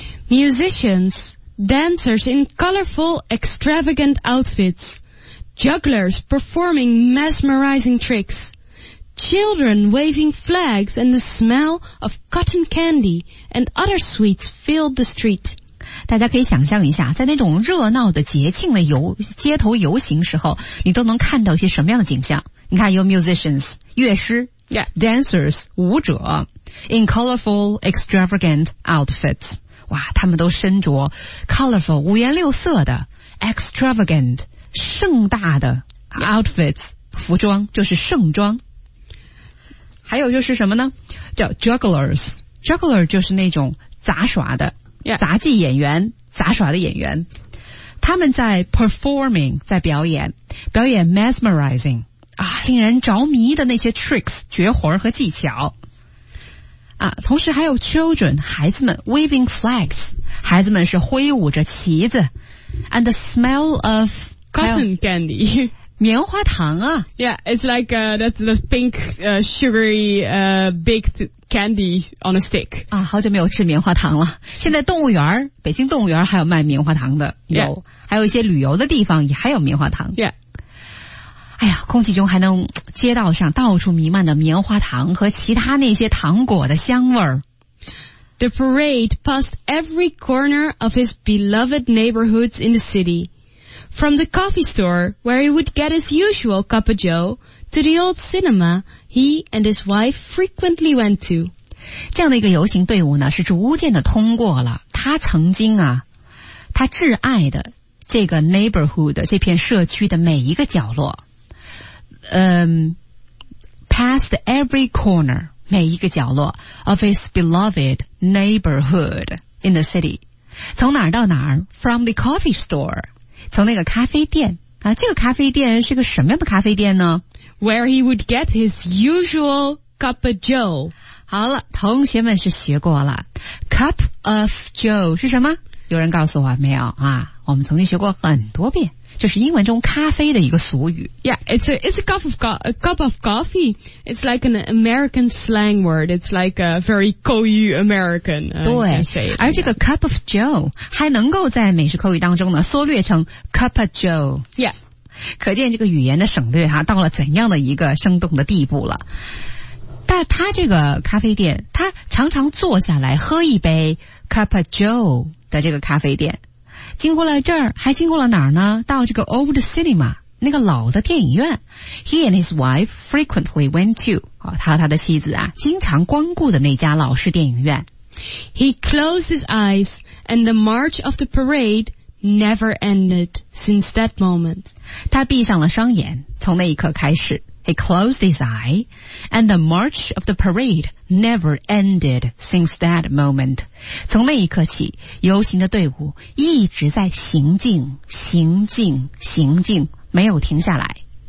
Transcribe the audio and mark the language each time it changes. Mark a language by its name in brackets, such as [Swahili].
[English] Musicians, dancers in colorful, extravagant outfits Jugglers performing mesmerizing tricks Children waving flags and the smell of cotton candy and other sweets filled the street [Chinese] 大家可以想象一下在那种热闹的节庆的街头游行时候你都能看到一些什么样的景象你看有 musicians 乐师 dancers 舞者 [English] in colorful extravagant outfits [Chinese] 哇他们都身着 colorful 五颜六色的 extravagant 盛大的 outfits 服装就是盛装还有就是什么呢叫 jugglers juggler 就是那种杂耍的 [English] Yeah. [Chinese] 杂技演员杂耍的演员他们在 performing 在表演 mesmerizing 啊，令人着迷的那些 tricks 绝活和技巧啊，同时还有 children 孩子们 [English] waving flags [Chinese] 孩子们是挥舞着旗子 [English] and the smell of cotton candy [Chinese] 棉花糖啊 [English] Yeah, it's like that's the pink sugary baked candy on a stick [Chinese] 啊，好久没有吃棉花糖了现在动物园北京动物园还有卖棉花糖的有、 [English] yeah. [Chinese] 还有一些旅游的地方也还有棉花糖 [English] Yeah [Chinese] 哎呀空气中还能街道上到处弥漫的棉花糖和其他那些糖果的香味 [English] The parade passed every corner of his beloved neighborhoods in the cityFrom the coffee store where he would get his usual cup of joe to the old cinema he and his wife frequently went to. [Chinese] 这样的一个游行队伍呢是逐渐的通过了他曾经啊他挚爱的这个 neighborhood 这片社区的每一个角落 [English] past every corner [Chinese] 每一个角落 [English] of his beloved neighborhood in the city. [Chinese] 从哪儿到哪儿 [English] from the coffee store. [Chinese] 从那个咖啡店啊，这个咖啡店是个什么样的咖啡店呢 [English] ？Where he would get his usual cup of joe. [Chinese] 好了，同学们是学过了 ，cup of joe 是什么？有人告诉我没有啊？我们曾经学过很多遍，就是英文中咖啡的一个俗语。 [English] Yeah, it's a cup of coffee. It's like an American slang word. It's like a very Koyu American. [Chinese] 对，而这个 cup of joe 还能够在美式口语当中呢缩略成 cup of joe. [English] Yeah, [Chinese] 可见这个语言的省略哈、啊、到了怎样的一个生动的地步了。但他这个咖啡店，他常常坐下来喝一杯 cup of joe 的这个咖啡店。经过了这儿还经过了哪儿呢到这个 Old Cinema 那个老的电影院 [English] He and his wife frequently went to、 [Chinese] 哦、他和他的妻子啊经常光顾的那家老式电影院 [English] He closed his eyes and the march of the parade never ended since that moment [Chinese] 他闭上了双眼从那一刻开始 [English] He closed his eye, and the march of the parade never ended since that moment. [Chinese] 从那一刻起，游行的队伍一直在行进，行进，行进，没有停下来。